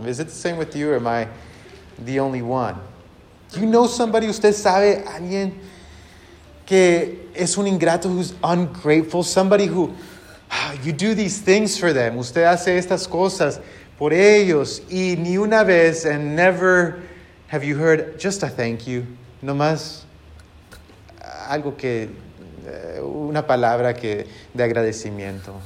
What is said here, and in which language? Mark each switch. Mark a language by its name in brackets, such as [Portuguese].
[English] Is it the same with you or am I the only one? Do you know somebody? [Spanish] ¿Usted sabe alguien que es un ingrato [English] who's ungrateful? Somebody who, you do these things for them. [Spanish] Usted hace estas cosas por ellos. Y ni una vez [English] and never have you heard just a thank you. [Spanish] Nomás algo que, una palabra que, de agradecimiento.